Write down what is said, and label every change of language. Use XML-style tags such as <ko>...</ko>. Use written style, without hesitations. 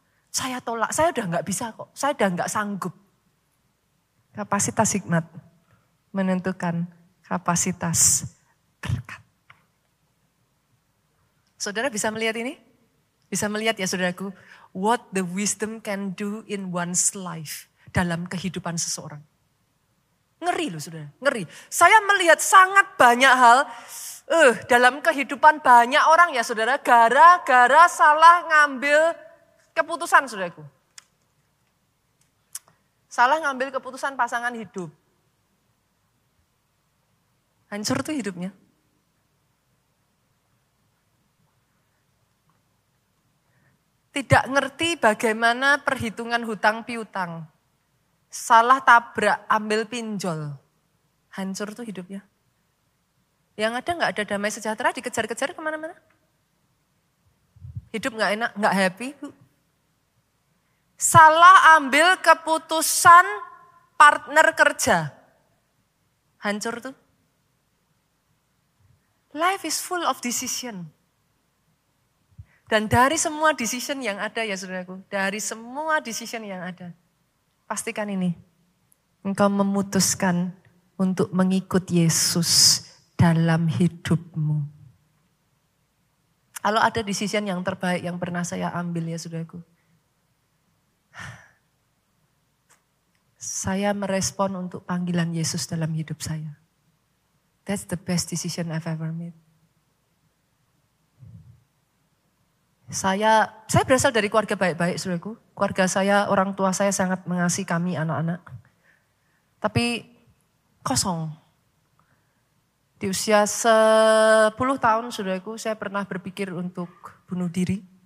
<id>Saya tolak, saya udah gak bisa kok. Saya udah gak sanggup. Kapasitas hikmat menentukan kapasitas berkat. Saudara bisa melihat ini? Bisa melihat ya saudaraku.</id> <en>What the wisdom can do in one's life.</en> <id>Dalam kehidupan seseorang. Ngeri loh saudara, ngeri. Saya melihat sangat banyak hal. Dalam kehidupan banyak orang ya saudara. Gara-gara salah ngambil keputusan saudaraku. Salah ngambil keputusan pasangan hidup. Hancur tuh hidupnya. tidak ngerti bagaimana perhitungan hutang piutang. Salah tabrak ambil pinjol. Hancur tuh hidupnya. Yang ada gak ada damai sejahtera, dikejar-kejar kemana-mana. Hidup gak enak, gak happy. Salah ambil keputusan partner kerja. Hancur tuh.</id> <en>Life is full of decision.</en> <id>Dan dari semua decision yang ada ya saudaraku, dari semua decision yang ada, pastikan ini, engkau memutuskan untuk mengikut Yesus dalam hidupmu. Kalau ada decision yang terbaik yang pernah saya ambil ya saudaraku, saya merespon untuk panggilan Yesus dalam hidup saya.</id> <en>That's the best decision I've ever made.</en> <id>Saya berasal dari keluarga baik-baik, saudaraku. Keluarga saya, orang tua saya sangat mengasihi kami anak-anak. Tapi kosong. Di usia 10 tahun, saudaraku, saya pernah berpikir untuk bunuh diri.</id>